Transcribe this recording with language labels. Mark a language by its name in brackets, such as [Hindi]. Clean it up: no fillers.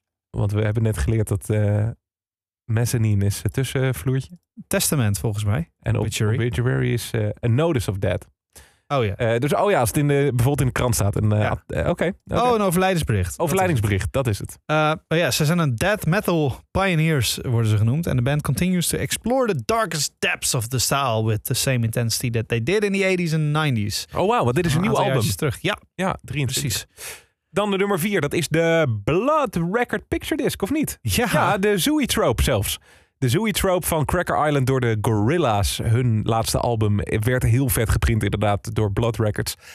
[Dutch] Want we hebben net geleerd dat mezzanine is het tussenvloertje. Testament volgens mij. En Obituary. [English] Obituary is a notice of death. [Dutch] Oh ja. Dus als het bijvoorbeeld in de krant staat. Oké. Een overlijdensbericht. Overlijdingsbericht, dat is het. Ze zijn een [English] death metal pioneers, [Dutch] worden ze genoemd. En de [English] band continues to explore the darkest depths of the style with the same intensity that they did in the 80s and 90s. [Dutch] Oh wow, want dit is een nieuw album. Terug. Ja. Ja, 23. Precies. Dan de nummer 4, dat is de Blood Record Picture Disc, of niet? Ja. Ja, de Zooey-trope zelfs. De Zooey-trope van Cracker Island door de Gorillaz, hun laatste album, werd heel vet geprint inderdaad door Blood Records.